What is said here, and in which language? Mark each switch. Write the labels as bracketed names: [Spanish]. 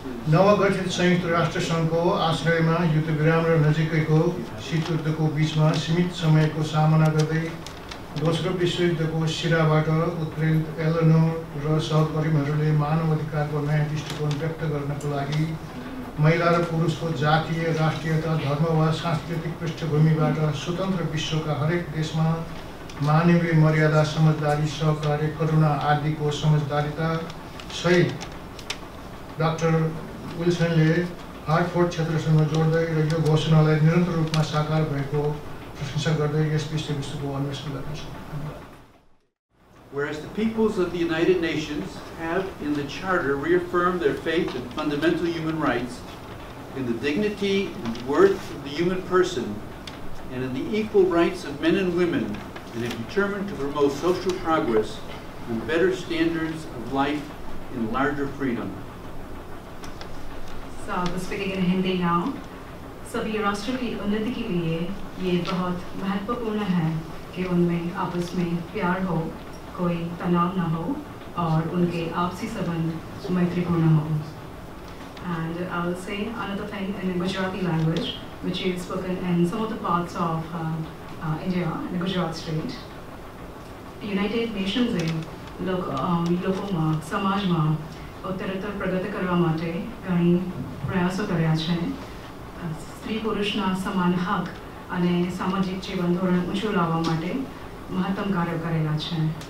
[Nepali] नवगठित संयुक्त राष्ट्र संघको आश्रयमा युद्धविराम र नजिकैको शीतयुद्धको बीचमा सीमित समयको सामना गर्दै दोस्रो विश्वयुद्धको सिराबाट उत्प्रेरित एलेनोर र सहकर्मीहरूले मानव अधिकारको नयाँ दृष्टिकोण व्यक्त गर्नको लागि महिला र पुरुषको जातीय राष्ट्रियता धर्म वा सांस्कृतिक पृष्ठभूमिबाट स्वतन्त्र विश्वका हरेक देशमा मानवीय मर्यादा समझदारी सहकार्य करुणा आदिको समझदारीता सहित डाक्टर विल्सनले हार्टफोर्ड क्षेत्रसँग जोड्दै र यो घोषणालाई निरन्तर रूपमा साकार भएको प्रशंसा गर्दै यस विषयवस्तुको अन्वेषण गर्नेछु. [English] Whereas the peoples of the United Nations have in the Charter reaffirmed their faith in fundamental human rights, in the dignity and worth of the human person, and in the equal rights of men and women, and have determined to promote social progress and better standards of life in larger freedom. So I'm speaking in Hindi now. [Hindi] सभी राष्ट्र की उन्नति के लिए ये बहुत महत्वपूर्ण है कि उनमें आपस में प्यार हो, कोई तनाव ना हो और उनके आपसी संबंध मैत्रीपूर्ण हो. [English] And I'll say another thing in the Gujarati language, which is spoken in some of the parts of India in the Gujarat state. The United Nations in [Gujarati] Lokoma, Samajma, ઉત્તરોત્તર પ્રગતિ કરવા માટે ઘણી પ્રયાસો કર્યા છે. સ્ત્રી પુરુષના સમાન હક અને સામાજિક જીવન ધોરણ ઊંચું લાવવા માટે મહત્તમ કાર્યો કરેલા છે.